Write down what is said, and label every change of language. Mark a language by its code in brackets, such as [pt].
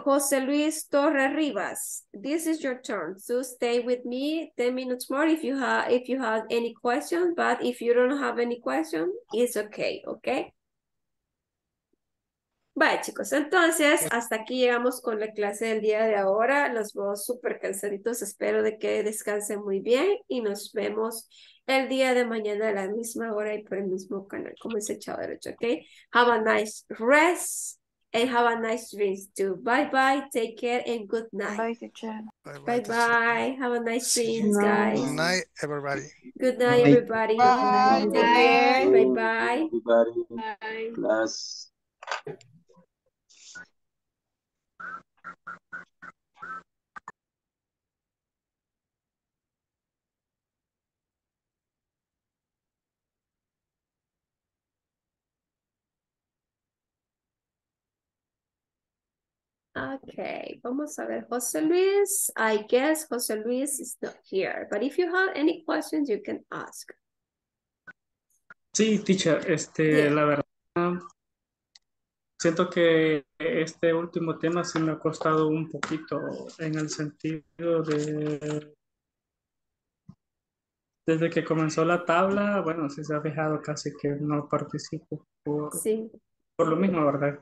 [en] José Luis Torres Rivas, this is your turn. So stay with me 10 minutes more if you have any questions, but if you don't have any questions, it's okay, okay? [es] Vale, chicos, entonces hasta aquí llegamos con la clase del día de ahora. Los veo súper cansaditos, espero de que descansen muy bien y nos vemos el día de mañana a la misma hora y por el mismo canal, como dice Chavo del 8, ¿ok? [en] Have a nice rest and have a nice dreams too. Bye bye, take care and good night. Bye, teacher. Bye bye, have a nice dreams, guys. Good night, everybody. Good night, everybody. Bye. Take care, bye bye. Everybody. Bye. Class. [es] Okay, vamos a ver, José Luis. [en] I guess José Luis is not here, but if you have any questions, you can ask. [es] Sí, teacher, la verdad, siento que este último tema sí me ha costado un poquito en el sentido de, desde que comenzó la tabla, bueno, sí se ha fijado casi que no participo por lo mismo, ¿verdad?